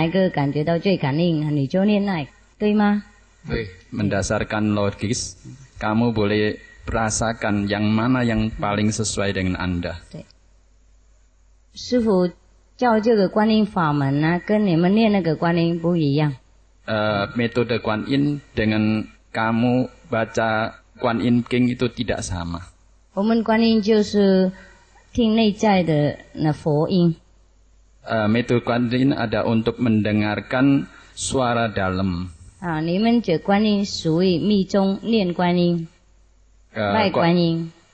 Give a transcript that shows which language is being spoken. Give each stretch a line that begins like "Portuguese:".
Chinese: 不过以逻辑来讲，你对哪一个感觉到最感应，你就念哪一个，对吗？对，
Indonesian: mendasarkan logis, kamu boleh merasakan yang mana yang paling sesuai dengan Anda.
Chinese: 师父教这个观音法门呢，跟你们念那个观音不一样。
Indonesian: Metode Kuan Yin dengan kamu baca Kuan Yin King itu tidak sama.
Chinese: 我们 Kuan Yin 就是听内在的那佛音。
Indonesian: Metode Kuan Yin ada untuk mendengarkan suara dalam.
Chinese: 你们这观音属于密宗念观音，外观音。